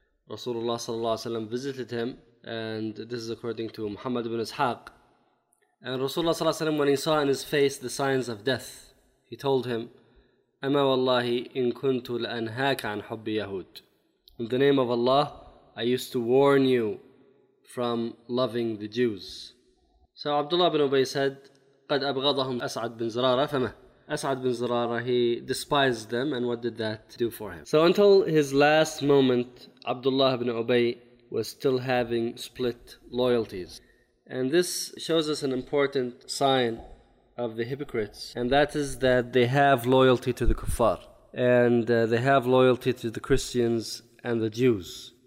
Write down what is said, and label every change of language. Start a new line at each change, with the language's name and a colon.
English: Rasulullah sallallahu alayhi wa sallam visited him, and this is according to Muhammad ibn Ishaq. And Rasulullah sallallahu alayhi wa sallam, when he saw in his face the signs of death, he told him,
Arabic: أَمَا وَاللَّهِ إِن كُنْتُ لَأَنْهَاكَ عَنْ حُبِّ يَهُودِ.
English: In the name of Allah, I used to warn you from loving the Jews. So Abdullah bin Ubay said,
Arabic: قَدْ أَبْغَضَهُمْ أَسْعَدْ بِنْ زَرَارَ فَمَهْ.
English: أَسْعَدْ بِنْ زَرَارَ, he despised them, and what did that do for him? So until his last moment, Abdullah bin Ubay was still having split loyalties. And this shows us an important sign of the hypocrites, and that is that they have loyalty to the kuffar, and they have loyalty to the Christians and the Jews.